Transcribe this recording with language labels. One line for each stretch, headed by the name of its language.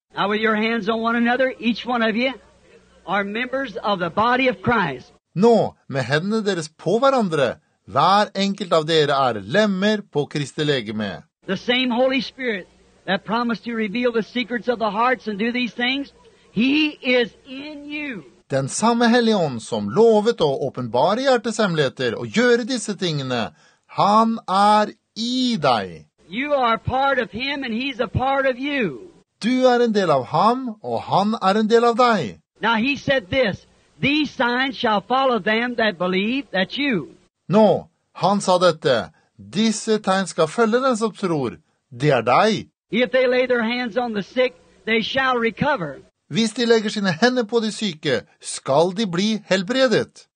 English: Now with your hands on one another, each one of you, are members of the body of Christ.
Norwegian: Nå, med hendene deres på hverandre, hver enkelt av dere er lemmer på Kristi legeme.
English: The same Holy Spirit that promised to reveal the secrets of the hearts and do these things, he is in you.
Norwegian: Den samme Hellige Ånd som lovet å åpenbare hjertets hemmeligheter og gjøre disse tingene, han er i deg.
English: You are part of him and he's a part of you.
Norwegian: Du er en del av ham og han er en del av deg.
English: Now he said this, these signs shall follow them that believe that you.
Norwegian: Nå, han sa dette, disse tegn skal følge den som tror, det er deg.
English: If they lay their hands on the sick, they shall recover.
Norwegian: Hvis de legger sine hender på de syke, skal de bli helbredet.